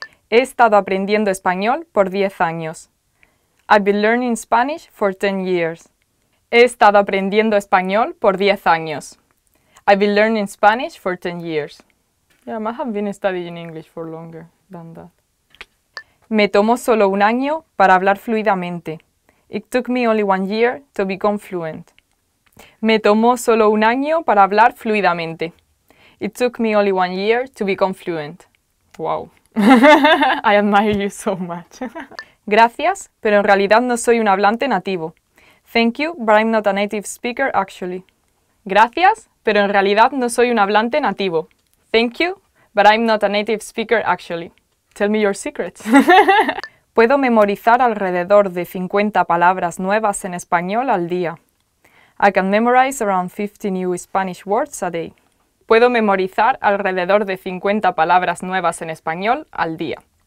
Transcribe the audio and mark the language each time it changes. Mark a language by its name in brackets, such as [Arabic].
[Spanish] He estado aprendiendo español por 10 años. [English] I've been learning Spanish for 10 years. [Spanish] He estado aprendiendo español por 10 años. [English] I've been learning Spanish for 10 years. Yeah, I must have been studying English for longer than that. [Spanish] Me tomó solo un año para hablar fluidamente. [English] It took me only 1 year to become fluent. [Spanish] Me tomó solo un año para hablar fluidamente. [English] It took me only 1 year to become fluent. Wow. I admire you so much. [Spanish] Gracias, pero en realidad no soy un hablante nativo. [English] Thank you, but I'm not a native speaker, actually. [Spanish] Gracias, pero en realidad no soy un hablante nativo. [English] Thank you, but I'm not a native speaker, actually. Tell me your secrets. [Spanish] Puedo memorizar alrededor de 50 palabras nuevas en español al día. [English] I can memorize around 50 new Spanish words a day. [Spanish] Puedo memorizar alrededor de 50 palabras nuevas en español al día.